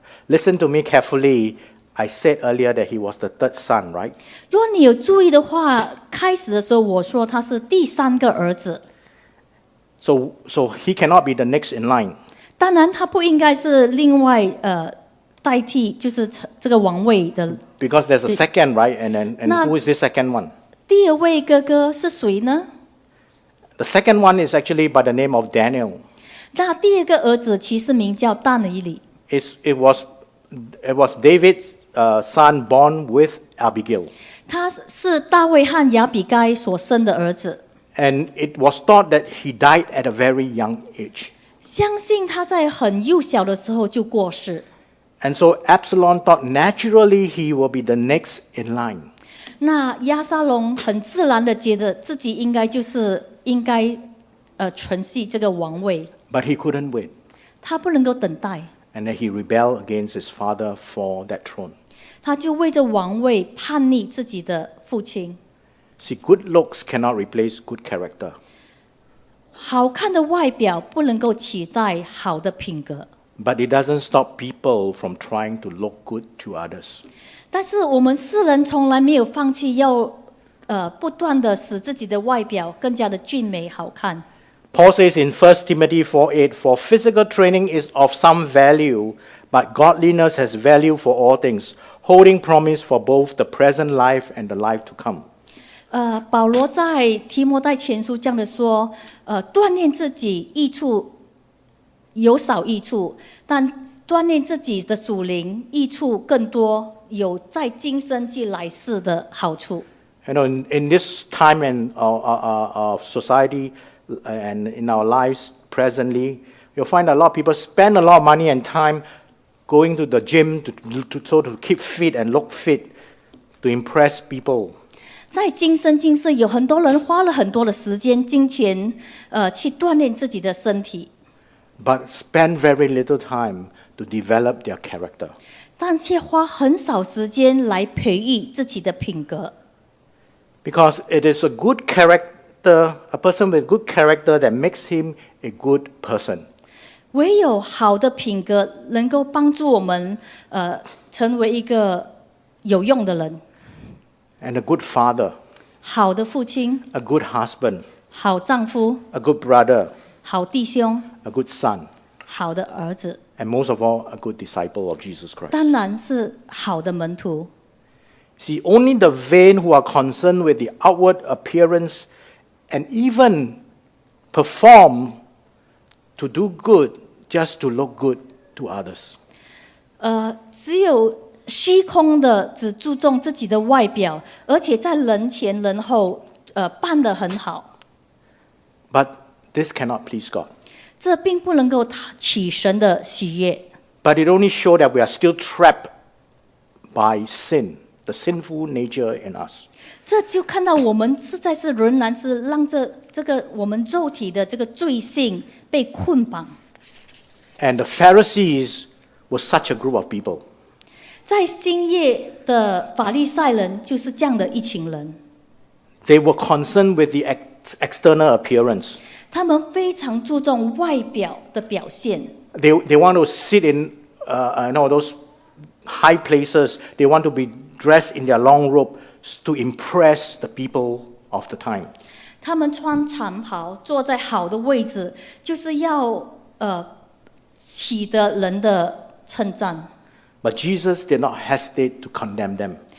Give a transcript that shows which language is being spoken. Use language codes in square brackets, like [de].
[en] If you have listened to me carefully,I said earlier that he was the third son, right? [zh] 如果你有注意的话，开始的时候我说他是第三个儿子。 [en] So he cannot be the next in line. [zh] 当然，他不应该是另外代替，就是这个王位的。 [en] Because there's a second, right? And who is the second one? [zh] 第二位哥哥是谁呢？ [en] The second one is actually by the name of Daniel. [zh] 那第二个儿子其实名叫但以理。 [en] It was David's son born with Abigail. [zh] 他是大卫和亚比该所生的儿子。 [en] And it was thought that he died at a very young age. [zh] 相信他在很幼小的时候就过世。 [en] And so Absalom thought naturally he will be the next in line. [zh] 那亚撒龙很自然的觉得自己应该就是应该承袭这个王位。 [en] But he couldn't wait. [zh] 他不能够等待。 [en] And then he rebelled against his father for that throne. [zh] 他就为着王位叛逆自己的父亲。 [en] See, good looks cannot replace good character. [zh] 好看的外表不能够取代好的品格。 [en] But it doesn't stop people from trying to look good to others. [zh] 但是我们世人从来没有放弃要不断的使自己的外表更加的俊美好看。 [en] Paul says in 1 Timothy 4:8, For physical training is of some value, but godliness has value for all things, holding promise for both the present life and the life to come. [zh] 保罗在提摩太前书这样的说，锻炼自己益处有少益处，但锻炼自己的属灵益处更多，有在今生及来世的好处。 [en] You know, in this time and of society,and in our lives presently, you'll find a lot of people spend a lot of money and time going to the gym to keep fit and look fit to impress people. [zh] 在今生今世，有很多人花了很多的时间、金钱，去锻炼自己的身体。 [en] But spend very little time to develop their character. [zh] 但却花很少时间来培育自己的品格。 [en] Because it is a good character. A person with good character that makes him a good person. [zh] 唯有好的品格能够帮助我们成为一个有用的人。 [en] And a good father. [zh] 好的父亲。 [en] A good husband. [zh] 好丈夫。 [en] A good brother. [zh] 好弟兄。 [en] A good son. [zh] 好的儿子。 [en] And most of all, a good disciple of Jesus Christ. [zh] 当然是好的门徒。 [en] See, only the vain who are concerned with the outward appearanceAnd even perform to do good just to look good to others. [zh] 只有虚空的只注重自己的外表，而且在人前人后扮得很好。 [en] But this cannot please God. [zh] 这并不能够取神的喜悦。 [en] But it only shows that we are still trapped by sin. The sinful nature in us. [zh] 这就看到我们实在是仍然是让这个我们肉体的这个罪性被捆绑。 [en] And the Pharisees were such a group of people. [zh] 在新约的法利赛人就是这样的一群人。 [en] They were concerned with the external appearance. [zh] 他们非常注重外表的表现。 [en] They want to sit in those high places. They want to be dressed in their long robe to impress the people of the time. [zh] 他们穿长袍，坐在好的位置，就是要取得人的称赞。 [en] But Jesus did not hesitate to condemn them.